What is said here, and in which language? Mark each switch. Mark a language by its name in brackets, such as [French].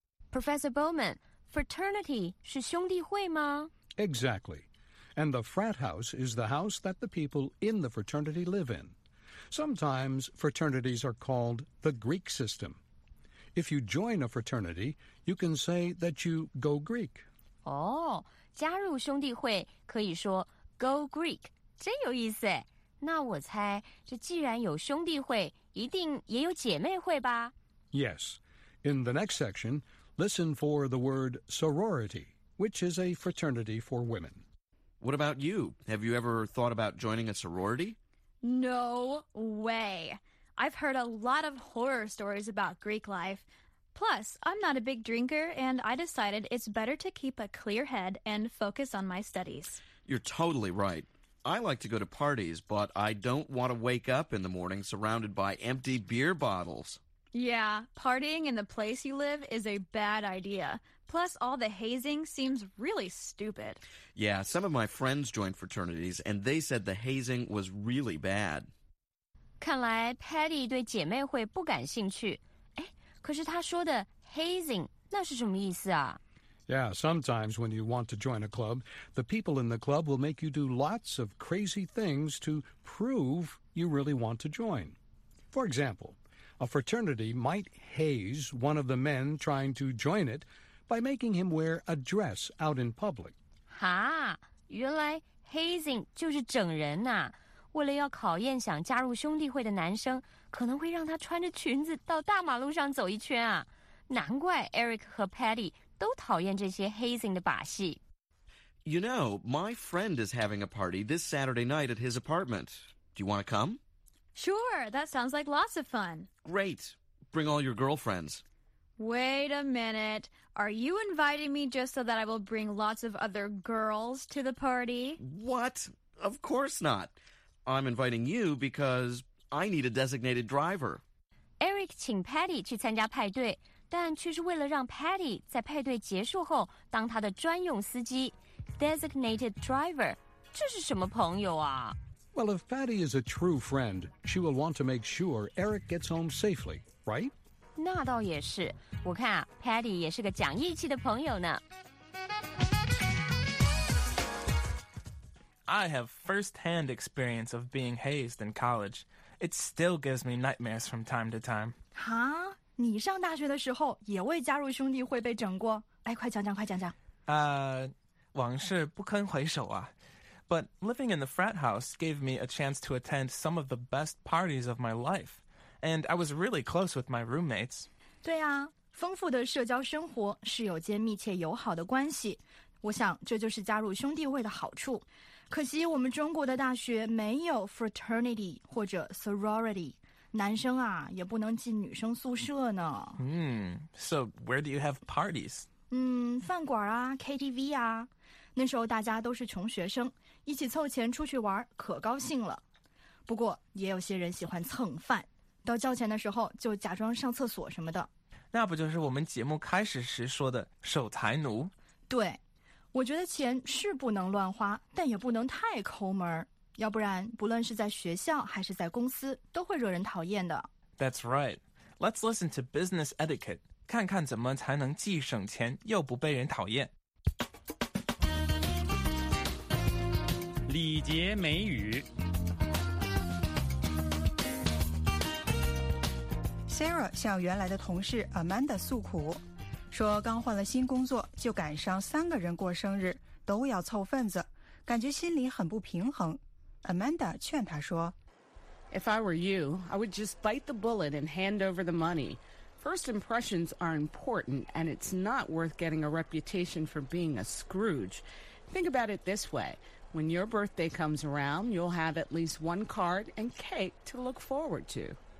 [Chinese] Professor Bowman, fraternity 是兄弟会吗？ [English] Exactly. And the frat house is the house that the people in the fraternity live in. Sometimes fraternities are called the Greek system. If you join a fraternity, you can say that you go Greek. [Chinese] 哦，加入兄弟会可以说 go Greek， 真有意思。那我猜，这既然有兄弟会，一定也有姐妹会吧？ [English] Yes. In the next section, listen for the word sorority, which is a fraternity for women. What about you? Have you ever thought about joining a sorority? No way. I've heard a lot of horror stories about Greek life. Plus, I'm not a big drinker, and I decided it's better to keep a clear head and focus on my studies. You're totally right. I like to go to parties, but I don't want to wake up in the morning surrounded by empty beer bottles. Yeah, partying in the place you live is a bad idea. Plus, all the hazing seems really stupid. Yeah, some of my friends joined fraternities, and they said the hazing was really bad. [Chinese] 看来 Patty 对姐妹会不感兴趣。哎，可是她说的 hazing 那是什么意思啊？ [English] Yeah, sometimes when you want to join a club, the people in the club will make you do lots of crazy things to prove you really want to join. For example, a fraternity might haze one of the men trying to join it by making him wear a dress out in public. [Chinese] 哈，原来 hazing 就是整人啊。为了要考验想加入兄弟会的男生，可能会让他穿着裙子到大马路上走一圈啊。难怪 Eric 和 Patty都讨厌这些 hazing 的把戏。 [English] You know, my friend is having a party this Saturday night at his apartment. Do you want to come? Sure, that sounds like lots of fun. Great. Bring all your girlfriends. Wait a minute. Are you inviting me just so that I will bring lots of other girls to the party? What? Of course not. I'm inviting you because I need a designated driver. [Chinese] Eric 请 Patty 去参加派对。但却是为了让 Patty 在派对结束后当他的专用司机 ，designated driver， 这是什么朋友啊 [English] ？Well, if Patty is a true friend, she will want to make sure Eric gets home safely, right? [Chinese] 那倒也是，我看 Patty 也是个讲义气的朋友呢。 [English] I have first-hand experience of being hazed in college. It still gives me nightmares from time to time. Huh? [Chinese] 你上大学的时候也为加入兄弟会被整过？哎，快讲讲，快讲讲。往事不堪回首啊。 [English] But living in the frat house gave me a chance to attend some of the best parties of my life. And I was really close with my roommates. [Chinese] 对啊，丰富的社交生活，室友间密切友好的关系。我想这就是加入兄弟会的好处。可惜我们中国的大学没有 fraternity 或者 sorority。男生啊，也不能进女生宿舍呢。 [English] So where do you have parties? [Chinese] 饭馆啊 ，KTV 啊。那时候大家都是穷学生，一起凑钱出去玩，可高兴了。不过也有些人喜欢蹭饭，到交钱的时候就假装上厕所什么的。那不就是我们节目开始时说的守财奴？对，我觉得钱是不能乱花，但也不能太抠门。要不然，不论是在学校还是在公司，都会惹人讨厌的。 [English] That's right. Let's listen to business etiquette. [Chinese] 看看怎么才能既省钱又不被人讨厌。礼节美语。 Sarah 向原来的同事 Amanda 诉苦，说刚换了新工作，就赶上三个人过生日，都要凑份子，感觉心里很不平衡。 Amanda 劝她说 [English] If I were you, I would just bite the bullet and hand over the money. First impressions are important, and it's not worth getting a reputation for being a Scrooge. Think about it this way. When your birthday comes around, you'll have at least one card and cake to look forward to.